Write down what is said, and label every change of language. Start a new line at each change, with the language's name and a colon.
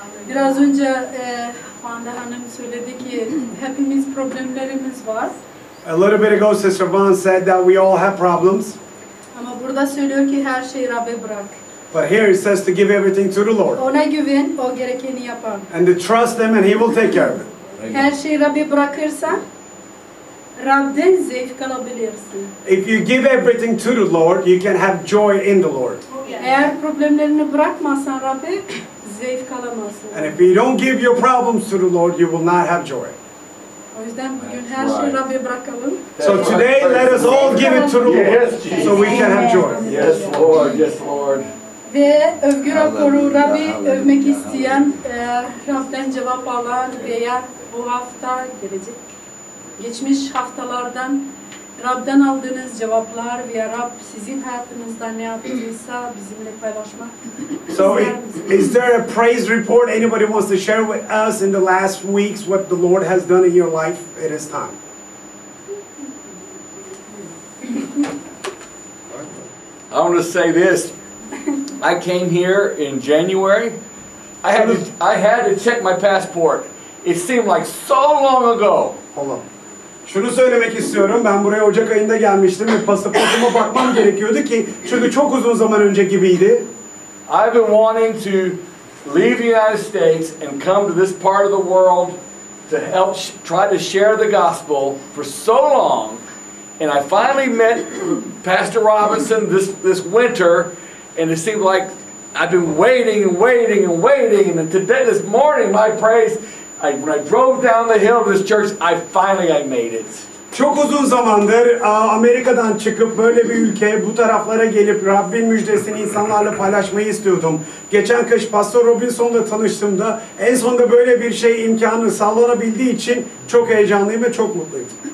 Turkish: Biraz önce Fanda Hanım söyledi ki hepimiz problemlerimiz var.
English: A little bit ago Sister Van said that we all have problems.
Turkish: Ama burada söylüyor ki her şeyi Rab'be bırak.
English: But here it says to give everything to the Lord.
Turkish: Ona güven, o gerekeni yapar.
English: And to trust him and he will take care of it.
Turkish: Her şeyi Rab'be bırakırsan Rab'den zevk alabilirsin.
English: If you give everything to the Lord, you can have joy in the Lord.
Turkish: Eğer problemlerini bırakmazsan Rab'be zevk alamazsın.
English: And if you don't give your problems to the Lord, you will not have joy.
Turkish: O yüzden bugün her şeyi Rab'be bırakalım.
English: So today let us all give it to the Lord, yes, so we can have joy. Yes Lord, yes Lord.
Turkish: Ve övgü raporu Rab'i övmek isteyen, Rab'den cevap alan veya bu hafta gelecek. Geçmiş haftalardan Rab'den aldığınız cevaplar veya Rab sizin hayatınızda ne yaptıysa bizimle paylaşmak.
English: So is there a praise report anybody wants to share with us in the last weeks what the Lord has done in your life? It is time. I want to say this. I came here in January. I had to check my passport. It seemed like so long ago. Hold on.
Turkish: Şunu söylemek istiyorum. Ben buraya Ocak ayında gelmiştim ve pasaportuma bakmam gerekiyordu ki çünkü çok uzun zaman önce gibiydi.
English: I've been wanting to leave the United States and come to this part of the world to help try to share the gospel for so long, and I finally met Pastor Robinson this winter, and it seemed like I've been waiting and waiting and waiting, and today this morning my praise. When I drove down the hill of this church, I finally made it.
Turkish: Çok uzun zamandır Amerika'dan çıkıp böyle bir ülkeye, bu taraflara gelip Rabbin müjdesini insanlarla paylaşmayı istiyordum. Geçen kış Pastor Robinson'la tanıştığımda en sonunda böyle bir şey imkanı sağlanabildiği için çok heyecanlıyım ve çok mutluyum.